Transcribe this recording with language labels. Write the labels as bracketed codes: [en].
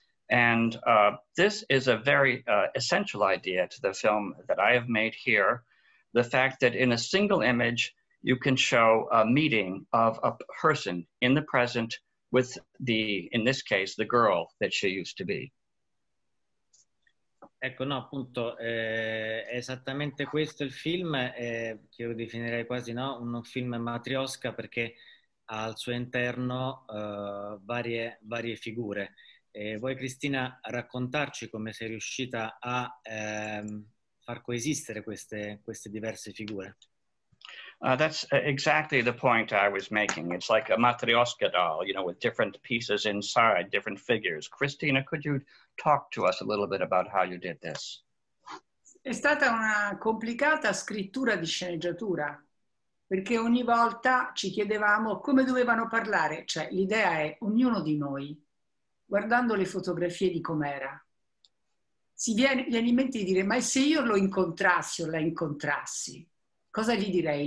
[en] And this is a very essential idea to the film that I have made here, the fact that in a single image, you can show a meeting of a person in the present with the, in this case, the girl that she used to be. [it] Ecco, no, appunto, è esattamente questo il film, che io definirei quasi, no, un film matrioska, perché ha al suo interno varie figure. Vuoi, Cristina, raccontarci come sei riuscita a far coesistere queste diverse figure? [en] That's exactly the point I was making. It's like a matryoshka doll, you know, with different pieces inside, different figures. Cristina, could you talk to us a little bit about how you did this? [it] È stata una complicata scrittura di sceneggiatura, perché ogni volta ci chiedevamo come dovevano parlare. Cioè, l'idea è ognuno di noi, guardando le fotografie di com'era, si viene in mente di dire, ma se io lo incontrassi o la incontrassi, cosa gli direi?